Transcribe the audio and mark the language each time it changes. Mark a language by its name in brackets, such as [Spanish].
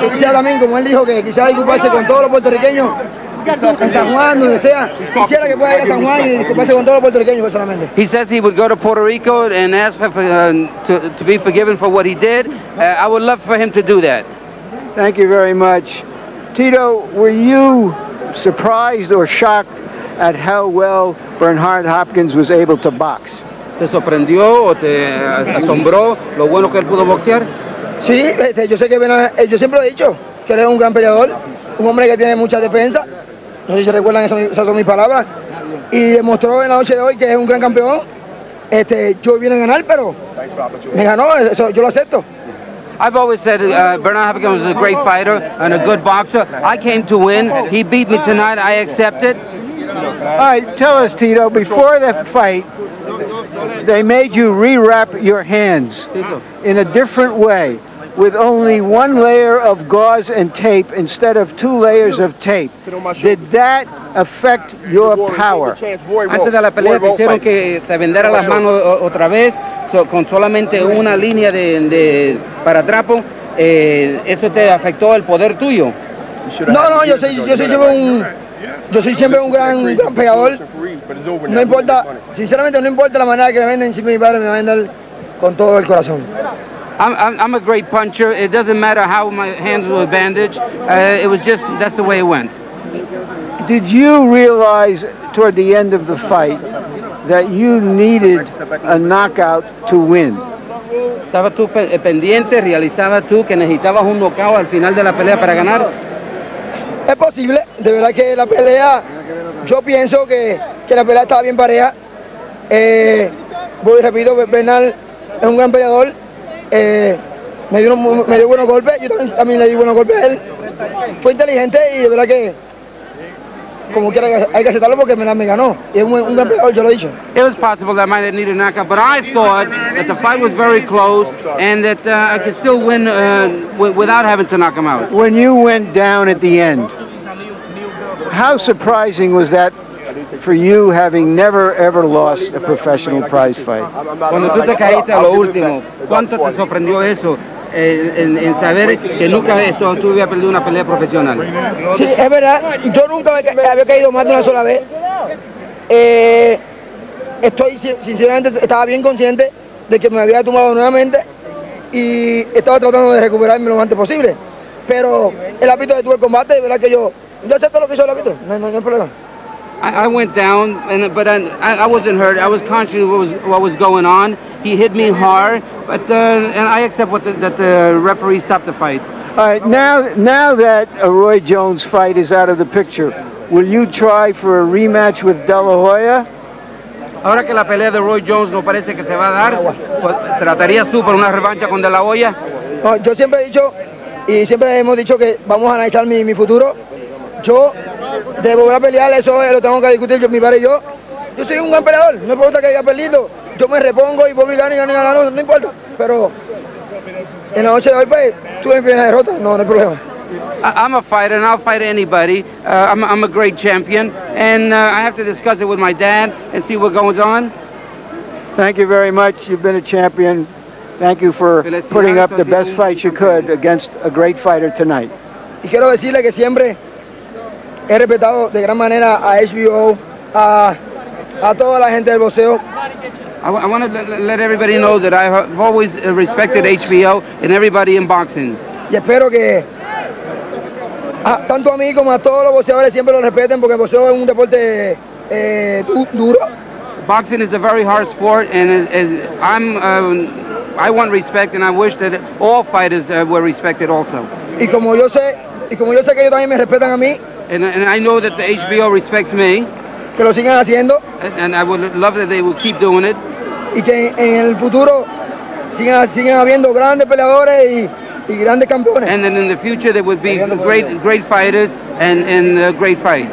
[Spanish] Yo quisiera también, como él dijo, que quisiera disculparse con todos los puertorriqueños. [English] He says he would go to Puerto Rico and ask to be forgiven for what he did. I would love for him to do that. Thank you very much. Tito, were you surprised or shocked at how well Bernard Hopkins was able to box? [Spanish] ¿Te sorprendió o te asombró lo bueno que él pudo boxear? Sí, yo sé que Bernard, yo siempre lo he dicho, que él es un gran peleador, un hombre que tiene mucha defensa. No sé si recuerdan esas son mis palabras. Y demostró en la noche de hoy que es un gran campeón. Yo vine a ganar, pero me ganó, eso yo lo acepto. [English] I've always said Bernard Hopkins was a great fighter and a good boxer. I came to win. He beat me tonight. I accept it. All right, tell us, Tito, before the fight, they made you rewrap your hands in a different way, with only one layer of gauze and tape instead of two layers of tape. Did that affect your power? [Spanish] Antes de la pelea te dijeron que te vendera las manos otra vez, con solamente una línea de para trapo, eso te afectó el poder tuyo. No, yo soy siempre un gran pegador. No importa, sinceramente no importa la manera que me venden, si mi padre me va a vender con todo el corazón. [English] I'm a great puncher. It doesn't matter how my hands were bandaged. It was just, that's the way it went. Did you realize toward the end of the fight that you needed a knockout to win? [Spanish] Estaba tú pendiente, realizaba tú que necesitabas un knockout al final de la pelea para ganar. Es posible, de verdad que la pelea, yo pienso que la pelea estaba bien pareja. Voy repito, Bernal es un gran peleador. Me dio buenos golpes, yo también le di buenos golpes a él. Fue inteligente y de verdad que, como quiera, hay que aceptarlo porque me ganó. Y es un gran peleador, yo lo he dicho. [English] It was possible that I might have needed a knockout, but I thought that the fight was very close and that I could still win without having to knock him out. When you went down at the end, how surprising was that for you, having never ever lost a professional prize fight? [Spanish] Cuando tú te caíste a lo último, ¿cuánto te sorprendió eso en saber que nunca esto tú había perdido una pelea profesional? Sí, es verdad. Yo nunca había caído más de una sola vez. Estoy sinceramente estaba bien consciente de que me había tumbado nuevamente y estaba tratando de recuperarme lo antes posible. Pero el árbitro detuvo el combate, verdad que yo acepto lo que hizo el árbitro. No hay problema. [English] I went down, and but I wasn't hurt. I was conscious of what was going on. He hit me hard, but and I accept that the referee stopped the fight. All right, now that a Roy Jones fight is out of the picture, will you try for a rematch with De La Hoya? [Spanish] Ahora que la pelea de Roy Jones no parece que se va a dar, ¿tratarías tú por una revancha con De La Hoya? Yo siempre he dicho, y siempre hemos dicho que vamos a analizar mi futuro. Yo debo volver a pelear, eso lo tengo que discutir yo, mi padre y yo. Yo soy un gran peleador, no importa que haya perdido. Yo me repongo y vuelvo y gano, no importa. Pero en la noche de hoy, pues, tuve una derrota, no hay problema. [English] I'm a fighter, and I'll fight anybody. I'm a great champion, and I have to discuss it with my dad and see what goes on. Thank you very much. You've been a champion. Thank you for putting up the best fight you could against a great fighter tonight. [Spanish] Y quiero decirle que siempre he respetado de gran manera a HBO, a toda la gente del boxeo. [English] I want to let everybody know that I have always respected HBO and everybody in boxing. [Spanish] Y espero que tanto a mí como a todos los boxeadores siempre lo respeten porque el boxeo es un deporte duro. [English] Boxing is a very hard sport, and I want respect, and I wish that all fighters were respected also. [Spanish] Y como yo sé que ellos también me respetan a mí. [English] And I know that the HBO respects me. [Spanish] Que lo sigan haciendo. [English] And I would love that they will keep doing it. [Spanish] Y que en el futuro sigan habiendo grandes peleadores y grandes campeones. [English] And then in the future there would be great fighters and great fights.